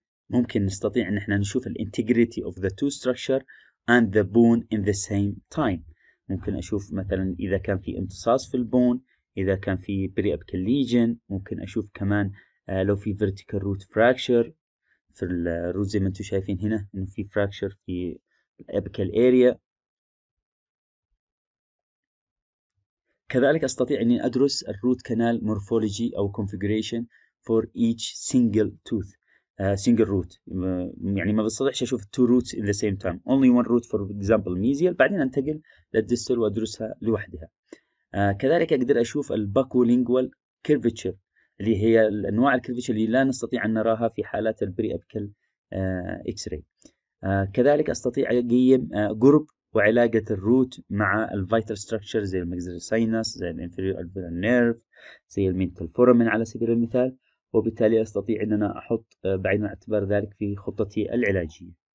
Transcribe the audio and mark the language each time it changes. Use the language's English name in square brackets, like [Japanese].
[Arabic] ممكن نستطيع ان احنا نشوف الـ [English] integrity of the two structure and the bone in the same time. [Arabic] ممكن اشوف مثلا اذا كان في امتصاص في البون، اذا كان في periapical lesion، ممكن اشوف كمان لو في vertical root fracture في الروت زي ما انتم شايفين هنا انه في fracture في apical area. كذلك استطيع اني ادرس الروت كانال مورفولوجي او [English] configuration for each single tooth. Single root [Arabic] يعني ما بستطيعش اشوف [English] two roots in the same time, only one root for example mesial, [Arabic] بعدين انتقل للديستال وادرسها لوحدها. كذلك اقدر اشوف الباكولينجوال كيرفتشر اللي هي الانواع الكيرفتشر اللي لا نستطيع ان نراها في حالات البري ابيكال اكس راي. كذلك استطيع اقيم قرب وعلاقه الروت مع الفيتال ستراكشر زي المجزر الساينس، زي الانفيريور البولار نيرف، زي المينتال فورامين على سبيل المثال، وبالتالي استطيع ان انا احط بعين الاعتبار ذلك في خطتي العلاجيه.